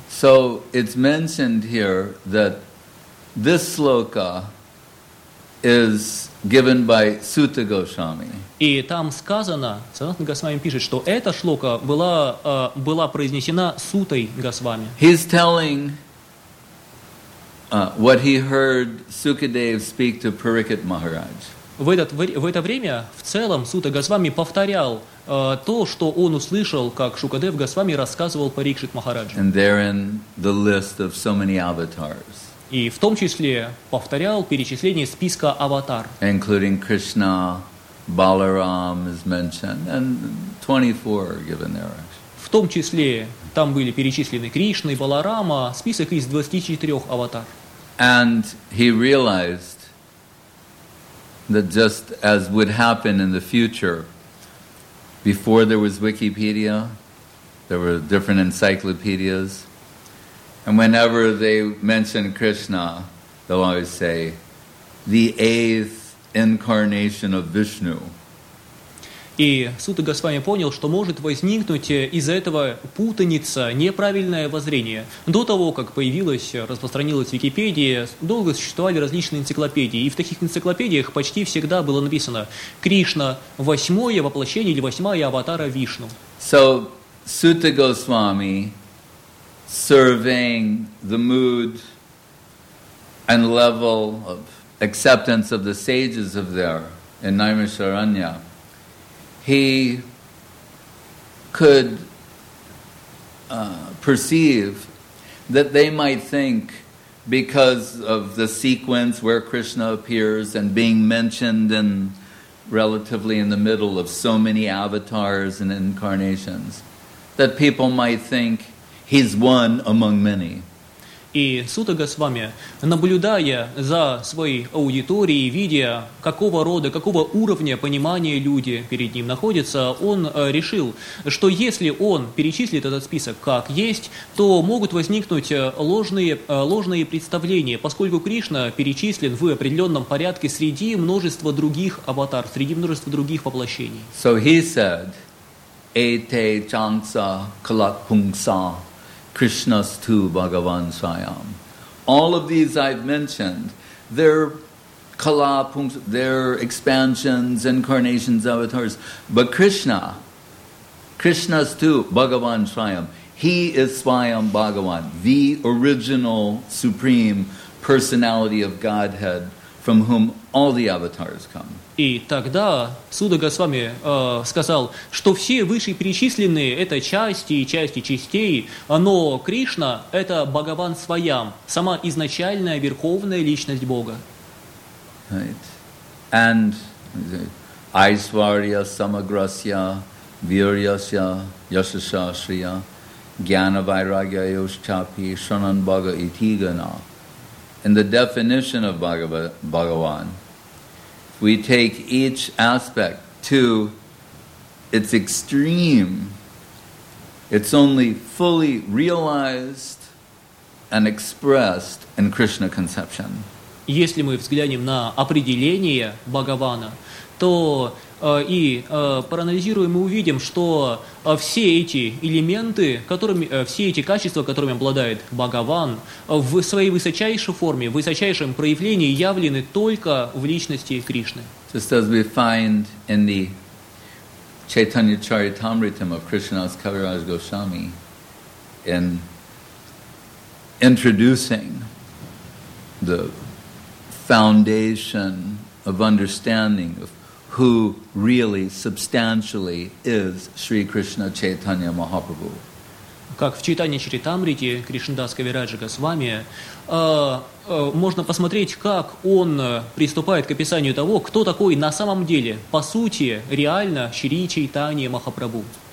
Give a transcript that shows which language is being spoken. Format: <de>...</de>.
<en>So it's mentioned here that this sloka is given by Sutta Goswami.</en> <ru>И там сказано, Санатана Госвами пишет, что эта шлока была произнесена Сутой Госвами.</ru> <en>He's telling what he heard Sukadev speak to Parikit Maharaj.</en> <ru>В это время в целом Сута Госвами повторял то, что он услышал, как Шукадев Госвами рассказывал Парикшит Махараджу.</ru> <en>And therein the list of so many avatars.</en> <ru>И в том числе повторял перечисление списка аватар.</ru> <en>Including Krishna, Balaram is mentioned, and 24 are given there.</en> <ru>В том числе там были перечислены Кришна и Баларама, список из 24 аватар.</ru> <en>And he realized that just as would happen in the future, before there was Wikipedia, there were different encyclopedias, and whenever they mention Krishna, they'll always say, the eighth incarnation of Vishnu.</en> <ru>И Сута Госвами понял, что может возникнуть из-за этого путаница, неправильное воззрение. До того, как распространилась Википедия, долго существовали различные энциклопедии. И в таких энциклопедиях почти всегда было написано «Кришна – восьмое воплощение или восьмая аватара Вишну».</ru> <en>So, Сута Госвами, surveying the mood and level of acceptance of the sages of there in Naimisharanya, he could perceive that they might think, because of the sequence where Krishna appears and being mentioned in relatively in the middle of so many avatars and incarnations, that people might think he's one among many.</en> <ru>И Сута Госвами, наблюдая за своей аудиторией, видя, какого рода, какого уровня понимания люди перед ним находятся, он решил, что если он перечислит этот список как есть, то могут возникнуть ложные представления, поскольку Кришна перечислен в определенном порядке среди множества других аватар, среди множества других воплощений.</ru> <en>So he said,</en> <sa>Эйте чанца калак пунгса, Krishna's tu Bhagavan Svayam.</sa> <en>All of these I've mentioned, they're kala, they're expansions, incarnations, avatars. But Krishna, Krishna's tu Bhagavan Svayam. He is Svayam Bhagavan, the original supreme personality of Godhead from whom all the avatars come.</en> <ru>И тогда Суда Госвами сказал, что все вышеперечисленные – это части и части частей, но Кришна – это Бхагаван Свайам, сама изначальная верховная личность Бога.</ru> <en>Right.</en> <sa>And Айсварья Самаграсья Вирьясья Яшаша Шрия Гьяна Вайрагья Йошчапи Шанан Бхага Итигана.</sa> <en>In the definition of Бхагаван, we take each aspect to its extreme. It's only fully realized and expressed in Krishna conception.</en> <ru>Если мы взглянем на определение Бхагавана, то и проанализируем, мы увидим, что все эти элементы, которыми, все эти качества, которыми обладает Бхагаван, в своей высочайшей форме, в высочайшем проявлении явлены только в личности Кришны.</ru> <en>Just as we find in the Chaitanya Charitamritam of Krishnadas Kaviraj Goswami in introducing the foundation of understanding of who really substantially is Sri Krishna Chaitanya Mahaprabhu.</en> <ru>Как в Чайтанья Чаритамрите Кришнадас Кавираджа Госвами можно посмотреть, как он приступает к описанию того, кто такой на самом деле, по сути, реально Шри Чайтанья Махапрабху.</ru>